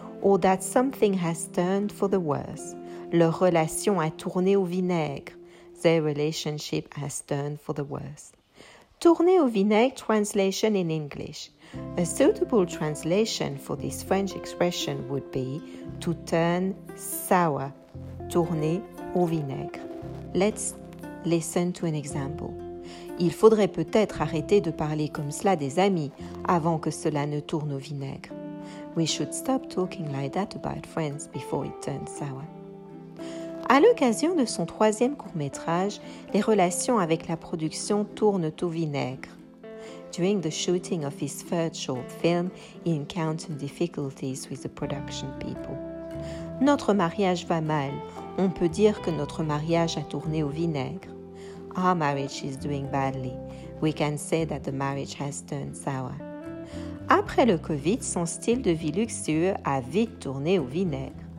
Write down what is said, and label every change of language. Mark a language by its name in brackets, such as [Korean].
[English] Or that something has turned for the worse. [French] Leur relation a tourné au vinaigre. [English] Their relationship has turned for the worse. [French] Tourner au vinaigre [English] translation in English. A suitable translation for this French expression would be to turn sour. [French] Tourner au vinaigre. [English] Let's listen to an example. [French] Il faudrait peut-être arrêter de parler comme cela des amis avant que cela ne tourne au vinaigre. [English] We should stop talking like that about friends before it turns sour. [French] À l'occasion de son troisième court-métrage, les relations avec la production tournent au vinaigre. [English] During the shooting of his third short film, he encountered difficulties with the production people. [French] Notre mariage va mal. On peut dire que notre mariage a tourné au vinaigre. [English] Our marriage is doing badly. We can say that the marriage has turned sour. [French] Après le Covid, son style de vie luxueux a vite tourné au vinaigre.